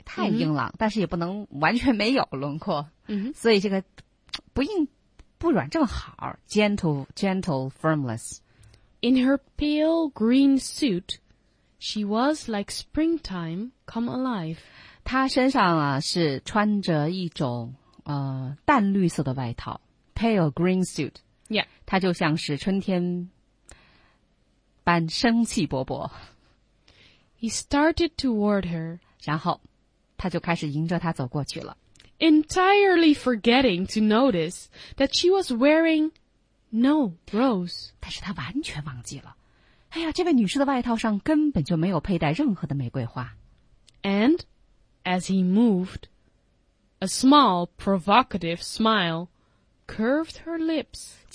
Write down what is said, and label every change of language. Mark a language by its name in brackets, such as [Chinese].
[Chinese] 这脸的轮廓不能太锐利,太硬朗,但是也不能完全没有轮廓。所以这个不硬,不软正好, [English] gentle, firmless. In her pale green suit, she was like springtime come alive. [Chinese] 她身上是穿着一种淡绿色的外套, [English] pale green suit. Yeah. [Chinese] 她就像是春天般生气勃勃。He [English] started toward her. [Chinese] 然后,她就开始迎着她走过去了。Entirely [English] forgetting to notice that she was wearing... No, rose. [Chinese] 但是他完全忘记了。哎呀,这位女士的外套上根本就没有佩戴任何的玫瑰花。And, [English] as he moved, a small, provocative smile curved her lips.